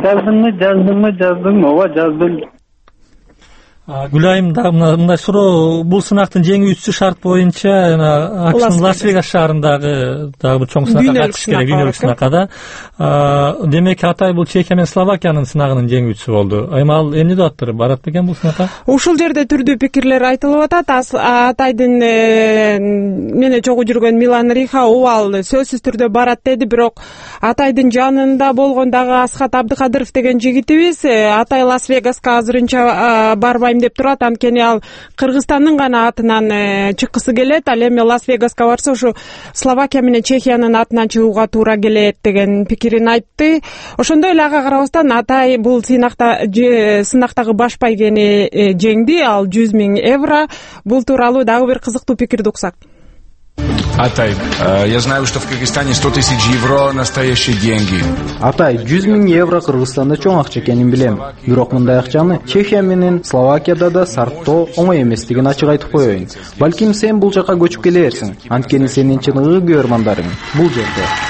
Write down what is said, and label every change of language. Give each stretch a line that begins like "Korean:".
Kyrgyz: Жаздыңбы, жаздыңбы, жаздың, ооба жаздым. Гүлайым, мындай суроо, бул сынактын жеңүүчүсү шарт боюнча АКШнын Лас Вегас шаарындагы дагы бир чоң сынакка катышыш керек, дүйнөлүк сынакка да. Демек атай бул Чехия менен Словакиянын сынагынын жеңүүчүсү болду. Эми ал эмне деп атыптыр, барат бекен бул сынакка? Ушул жерде түрдүү пикирлер айтылып атат. Атайдын мени чогуу жүргөн Милан Риха, ооба ал сөзсүз түрдө барат деди. Бирок атайдын жанында болгон дагы Асхат Абдыкадыров деген жигитибиз, атай Лас Вегаска азырынча барбай деп турат, анткени ал Кыргызстандын гана атынан чыккысы келет, ал эми Лас Вегаска барса ушу Словакия менен Чехиянын атынан чыгууга туура келет деген пикирин айтты. Ошондой эле ага карабастан атай бул сынактагы баш байгени жеңди, ал 100 000 евро. Бул тууралуу дагы бир кызыктуу пикирди уксак.
Russian: Атай, я знаю, что в Кыргызстане 100 000 евро настоящие деньги.
Kyrgyz: Атай, 100 000 евро Кыргызстанда чоң акча экенин билем. Бирок мындай акчаны Чехия менен Словакияда да сарптоо оңой эместигин ачык айтып коеюн. Балким сен бул жака көчүп келерсиң, анткени сенин чыныгы көрөрмандарың бул жерде.